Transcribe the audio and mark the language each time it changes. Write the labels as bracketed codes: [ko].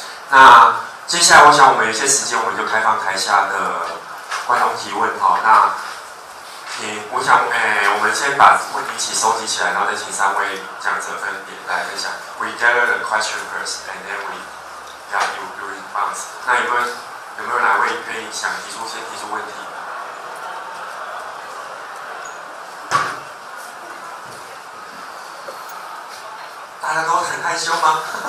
[zh] 那接下来我想我们有些时间，我们就开放台下的观众提问哈。那我想，我们先把问题一起收集起来，然后再请三位讲者分别来分享。 [en] We gather the question first, and then we got your response. [zh] 那有没有哪位可以想先提出问题？大家都很害羞吗？